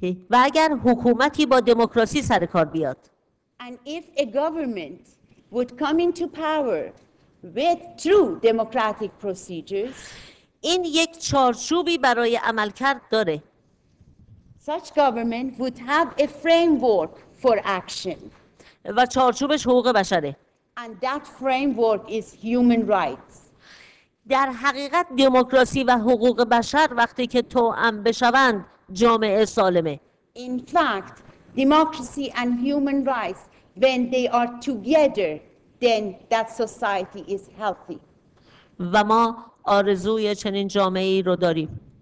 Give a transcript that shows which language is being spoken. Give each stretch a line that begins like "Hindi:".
Persian: و اگر حکومتی با دموکراسی سر کار بیاد.
English: And if a government would come into power with true democratic procedures,
Persian: این یک چارچوبی برای عملکرد داره.
English: Such government would have a framework for action.
Persian: و چارچوبش حقوق بشره.
English: And that framework is human rights.
Persian: در حقیقت دموکراسی و حقوق بشر وقتی که توأم بشوند جامعه سالمه.
English: In fact, democracy and human rights, when they are together, then that society is healthy.
Persian: و ما آرزوی چنین جامعه ای رو داریم.